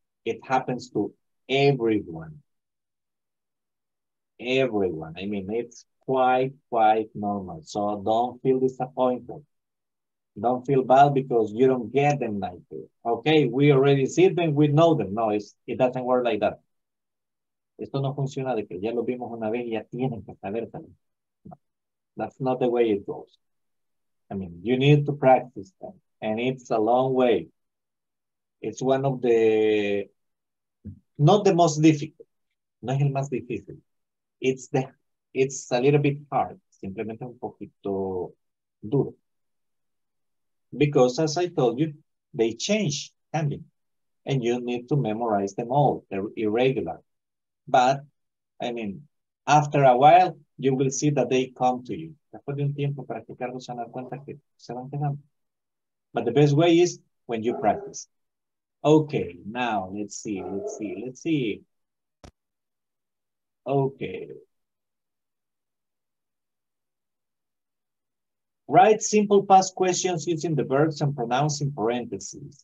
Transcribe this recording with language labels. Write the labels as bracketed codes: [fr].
[en] It happens to everyone. Everyone. I mean, it's quite normal. So don't feel disappointed. Don't feel bad because you don't get them like this. Okay, we already see them. We know them. No, it doesn't work like that. [es] Esto no funciona de que ya lo vimos una vez y ya tienen que saber también. [en] No, that's not the way it goes. I mean, you need to practice them. And it's a long way. It's one of the, not the most difficult, [es] no es el más difícil. [en] It's a little bit hard, [es] simplemente un poquito duro. [en] Because as I told you, they change, [es] cambian. [en] And you need to memorize them all, they're irregular. But, I mean, after a while, you will see that they come to you. [es] Después de un tiempo, practicarlo se dan cuenta que se van quedando. [en] But the best way is when you practice. Okay, now let's see. Okay. Write simple past questions using the verbs and pronouns in parentheses.